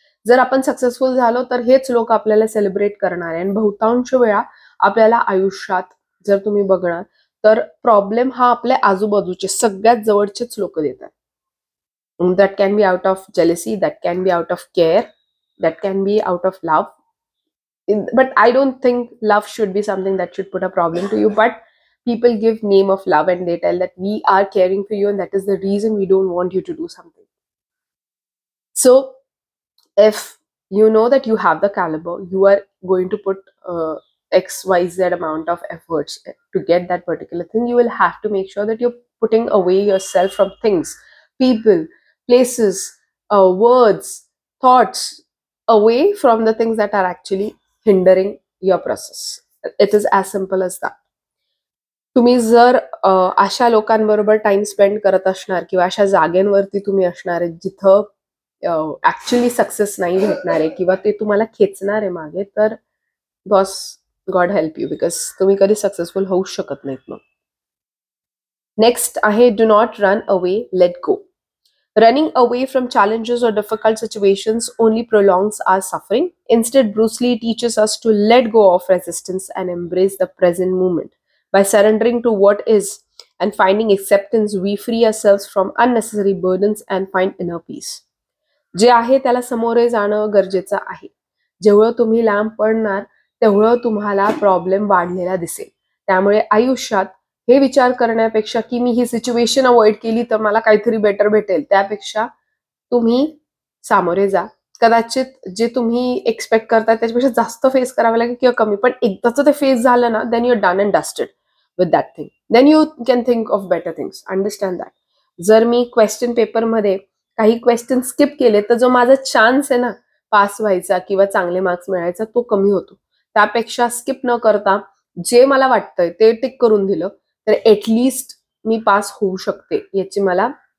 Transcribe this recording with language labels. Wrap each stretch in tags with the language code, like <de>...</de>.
<mr>जर आपण सक्सेसफुल झालो तर हेच लोक आपल्याला सेलिब्रेट करणार आहे आणि बहुतांश वेळा आपल्याला आयुष्यात जर तुम्ही बघणार तर प्रॉब्लेम हा आपल्या आजूबाजूचे सगळ्यात जवळचेच लोक देतात</mr> <en>That can be out of jealousy, that can be out of care, that can be out of love. But I don't think love should be something that should put a problem to you. But people give name of love and they tell that we are caring for you and that is the reason we don't want you to do something. So if you know that you have the caliber, you are going to put XYZ amount of efforts to get that particular thing. You will have to make sure that you're putting away yourself from things, people, places, words, thoughts away from the things that are actually hindering your process. It is as simple as that.</en> <mr>तुम्ही जर अशा लोकांबरोबर time spend करत असणार किंवा अशा जागेंवरती तुम्ही असणार आहे जिथं ऍक्च्युली सक्सेस नाही भेटणार आहे किंवा ते तुम्हाला खेचणार आहे मागे तर</mr> <en>boss God help you because</en> <mr>तुम्ही कधी सक्सेसफुल होऊ शकत नाहीत मग नेक्स्ट आहे</mr> <en>Do not run away let go Running away from challenges or difficult situations only prolongs our suffering. Instead, Bruce Lee teaches us to let go of resistance and embrace the present moment. By surrendering to what is and finding acceptance, we free ourselves from unnecessary burdens and find inner peace.</en> <mr>जे आहे त्याला समोरे जाणं गरजेचं आहे जेवढं तुम्ही लांब पडणार तेवढं तुम्हाला प्रॉब्लेम वाढलेला दिसेल त्यामुळे आयुष्यात हे विचार करण्यापेक्षा की मी ही सिच्युएशन अवॉइड केली तर मला काहीतरी बेटर भेटेल त्यापेक्षा तुम्ही सामोरे जा कदाचित जे तुम्ही एक्सपेक्ट करता त्याच्यापेक्षा जास्त फेस करावं लागेल किंवा कमी पण एकदाच ते फेस झालं ना</mr> <en>then you are done and dusted with that thing then you can think of better things understand that</en> <mr>जर मी क्वेश्चन पेपरमध्ये काही क्वेश्चन स्किप केले तर जो माझा चान्स आहे ना पास व्हायचा किंवा चांगले मार्क्स मिळायचा तो कमी होतो त्यापेक्षा स्किप न करता जे मला वाटतंय ते टिक करून दिलं तर ॲटलिस्ट मी पास होऊ शकते याची मला</mr>